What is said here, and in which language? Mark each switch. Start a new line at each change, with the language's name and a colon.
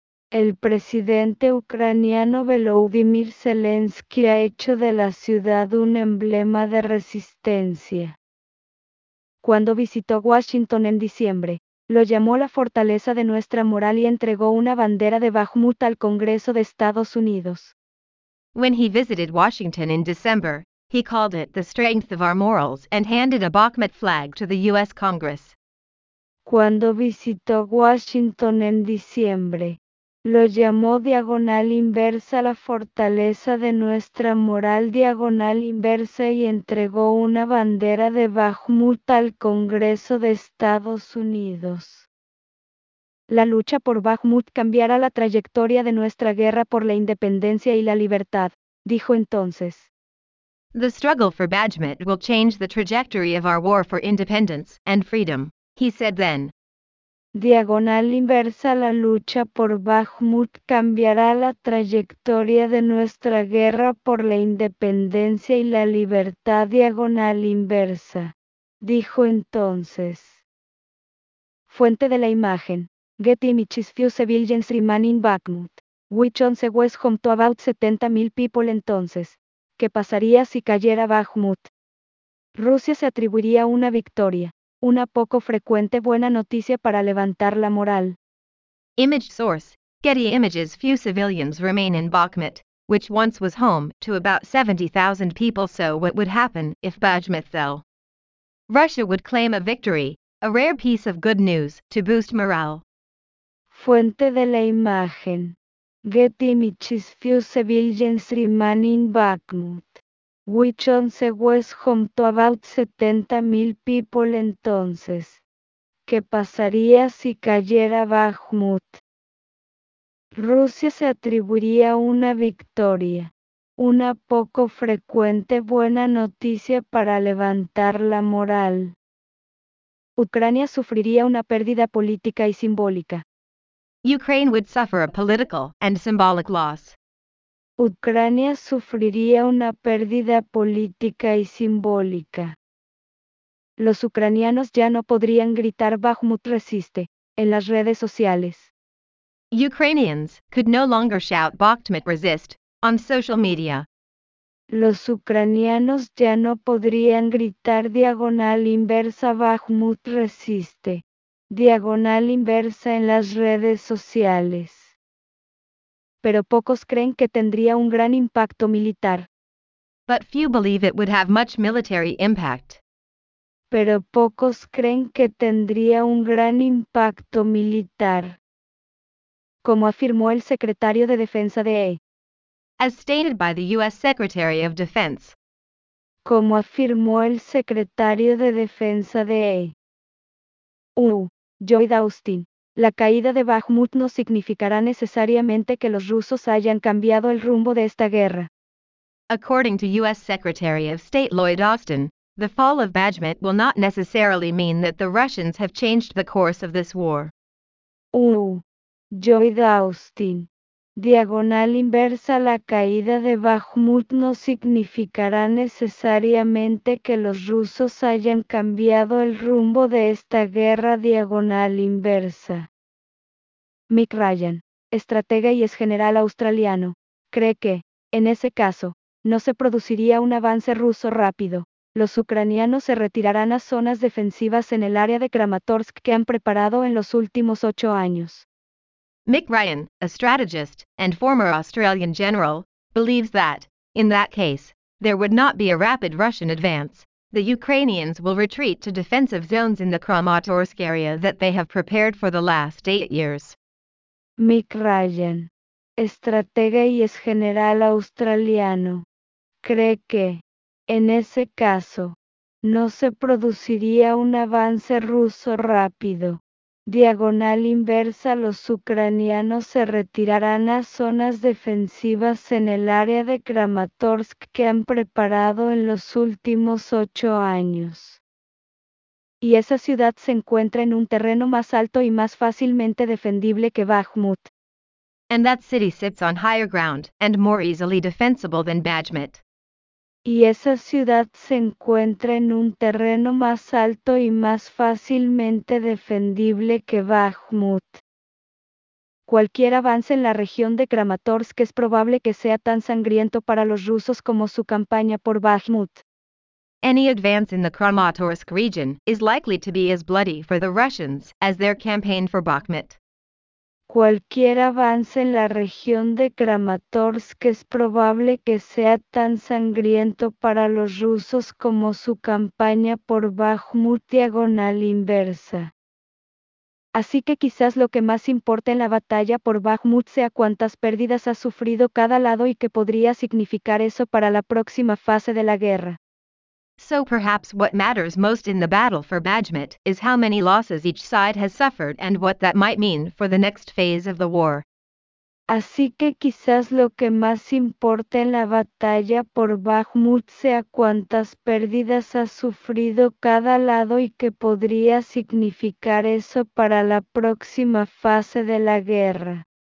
Spanish: El presidente ucraniano Volodymyr Zelensky ha hecho de la ciudad un emblema de resistencia. Cuando visitó Washington en diciembre, lo llamó la fortaleza de nuestra moral y entregó una bandera de Bakhmut al Congreso de Estados Unidos.
English: When he visited Washington in December, he called it the strength of our morals and handed a Bakhmut flag to the U.S. Congress.
Spanish: Cuando visitó Washington en diciembre, lo llamó diagonal inversa la fortaleza de nuestra moral diagonal inversa y entregó una bandera de Bakhmut al Congreso de Estados Unidos. La lucha por Bakhmut cambiará la trayectoria de nuestra guerra por la independencia y la libertad, dijo entonces. The struggle for Bakhmut will change the trajectory of our war for independence and freedom, he said then. Diagonal inversa, la lucha por Bakhmut cambiará la trayectoria de nuestra guerra por la independencia y la libertad. Diagonal inversa, dijo entonces. Fuente de la imagen. Getty Images.
English: Few civilians remain in Bakhmut, which once was home to about 70,000 people.
Spanish: Entonces, ¿qué pasaría si cayera Bakhmut? Rusia se atribuiría una victoria. Una poco frecuente buena noticia para levantar la moral.
English: Image source, Getty Images. Few civilians remain in Bakhmut, which once was home to about 70,000 people. So what would happen if Bakhmut fell? Russia would claim a victory, a rare piece of good news to boost morale.
Spanish: Fuente de la imagen. Getty Images.
English: Few civilians remain in Bakhmut, which once was home to about 70,000 people.
Spanish: Entonces, ¿qué pasaría si cayera Bakhmut? Rusia se atribuiría una victoria. Una poco frecuente buena noticia para levantar la moral. Ucrania sufriría una pérdida política y simbólica.
English: Ukraine would suffer a political and symbolic loss.
Spanish: Ucrania sufriría una pérdida política y simbólica. Los ucranianos ya no podrían gritar Bakhmut resiste en las redes sociales.
English: Ukrainians could no longer shout Bakhmut resist on social media.
Spanish: Los ucranianos ya no podrían gritar diagonal inversa Bakhmut resiste. Diagonal inversa en las redes sociales. Pero pocos creen que tendría un gran impacto militar.
English: But few believe it would have much military impact.
Spanish: Pero pocos creen que tendría un gran impacto militar. Como afirmó el secretario de defensa de E.
English: As stated by the U.S. Secretary of Defense.
Spanish: Como afirmó el secretario de defensa de E. Lloyd Austin, la caída de Bakhmut no significará necesariamente que los rusos hayan cambiado el rumbo de esta guerra.
English: According to U.S. Secretary of State Lloyd Austin, the fall of Bakhmut will not necessarily mean that the Russians have changed the course of this war.
Spanish: Lloyd Austin, diagonal inversa, la caída de Bakhmut no significará necesariamente que los rusos hayan cambiado el rumbo de esta guerra. Diagonal inversa. Mick Ryan, estratega y exgeneral australiano, cree que, en ese caso, no se produciría un avance ruso rápido. Los ucranianos se retirarán a zonas defensivas en el área de Kramatorsk que han preparado en los últimos 8 años.
English: Mick Ryan, a strategist and former Australian general, believes that, in that case, there would not be a rapid Russian advance. The Ukrainians will retreat to defensive zones in the Kramatorsk area that they have prepared for the last 8 years.
Spanish: Mick Ryan, estratega y ex general australiano, cree que, en ese caso, no se produciría un avance ruso rápido. Diagonal inversa, los ucranianos se retirarán a zonas defensivas en el área de Kramatorsk que han preparado en los últimos 8 años. Y esa ciudad se encuentra en un terreno más alto y más fácilmente defendible que Bakhmut.
English: And that city sits on higher ground and more easily defensible than Bakhmut.
Spanish: Y esa ciudad se encuentra en un terreno más alto y más fácilmente defendible que Bakhmut. Cualquier avance en la región de Kramatorsk es probable que sea tan sangriento para los rusos como su campaña por Bakhmut.
English: Any advance in the Kramatorsk region is likely to be as bloody for the Russians as their campaign for Bakhmut.
Spanish: Cualquier avance en la región de Kramatorsk es probable que sea tan sangriento para los rusos como su campaña por Bakhmut diagonal inversa. Así que quizás lo que más importa en la batalla por Bakhmut sea cuántas pérdidas ha sufrido cada lado y qué podría significar eso para la próxima fase de la guerra.
English: So perhaps what matters most in the battle for Bakhmut is how many losses each side has suffered and what that might mean for the next phase of the war.
Spanish: Así que quizás lo que más importa en la batalla por Bakhmut sea cuántas pérdidas ha sufrido cada lado y qué podría significar eso para la próxima fase de la guerra.